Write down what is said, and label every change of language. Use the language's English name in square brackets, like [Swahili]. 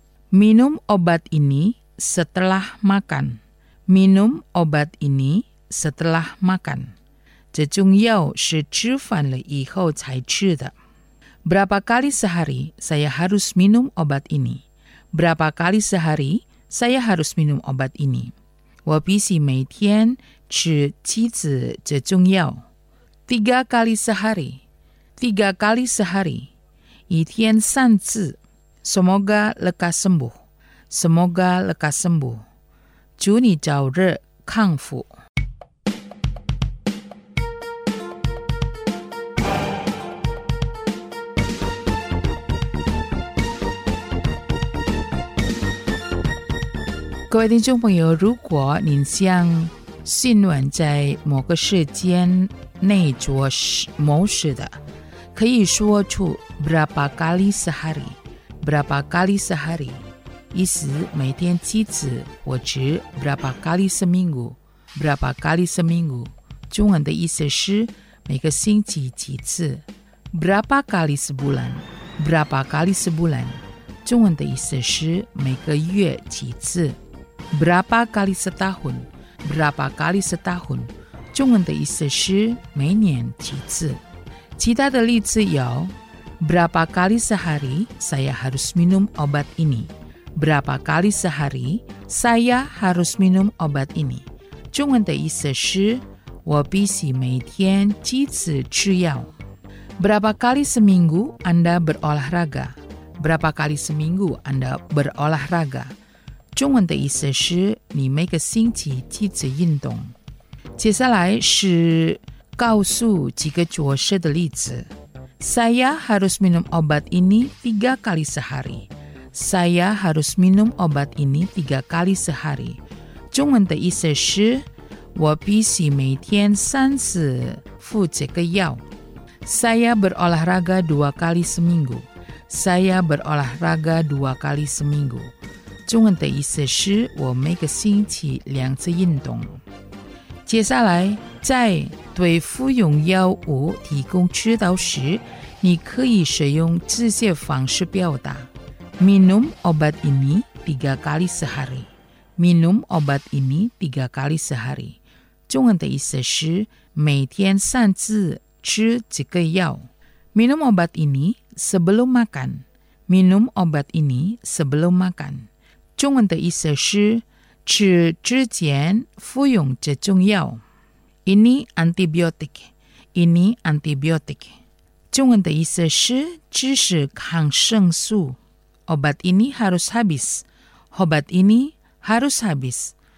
[Indonesian] Minum obat ini setelah makan. Minum obat ini setelah makan. [Chinese] 这种药是吃饭了以后才吃的。 [Indonesian] Berapa kali sehari saya harus minum obat ini? Berapa kali sehari saya harus minum obat ini? [Chinese] 我必须每天吃几次这种药。 [Indonesian] Tiga kali sehari. Tiga kali sehari. [Chinese] 一天三次。 [Indonesian] Semoga lekas sembuh. Semoga lekas sembuh. [Chinese] 祝你早日康复。各位听众朋友，如果您想询问在某个时间内做某事的，可以说出 [Indonesian] berapa kali sehari， berapa kali sehari。 [Chinese] 意思每天几次，我指 [Indonesian] berapa kali seminggu， berapa kali seminggu， [Chinese] 中文的意思是每个星期几次。 [Indonesian] berapa kali sebulan， berapa kali sebulan， [Chinese] 中文的意思是每个月几次。 [Indonesian] berapa kali setahun， berapa kali setahun， [Chinese] 中文的意思是每年几次。其他的例子有 [Indonesian] berapa kali sehari saya harus minum obat ini，Berapa kali sehari saya harus minum obat ini? [Chinese] 中文的意思是我必须每天几次吃药。 [Indonesian] Berapa kali seminggu Anda berolahraga? Berapa kali seminggu Anda berolahraga? [Chinese] 中文的意思是你每个星期几次运动。接下来是告诉几个做事的例子。 [Indonesian] Saya harus minum obat ini tiga kali sehari. Saya harus minum obat ini tiga kali sehari. [Chinese] 中文的意思是我必须每天三次服这个药。 [Indonesian] Saya berolahraga dua kali seminggu. Saya berolahraga dua kali seminggu. [Chinese] 中文的意思是我每个星期两次运动。接下来，在对服用药物提供指导时，你可以使用这些方式表达。 [Indonesian] Minum obat ini tiga kali sehari. Minum obat ini tiga kali sehari. [Chinese] 中文的意思是每天擅自吃几个药。 [Indonesian] Minum obat ini sebelum makan. Minum obat ini sebelum makan. [Chinese] 中文的意思是吃之前服用这种药。 [Indonesian] Ini antibiotik. Ini antibiotik. [Chinese] 中文的意思是这是抗生素。 [Indonesian] Obat ini harus habis. Obat ini harus habis.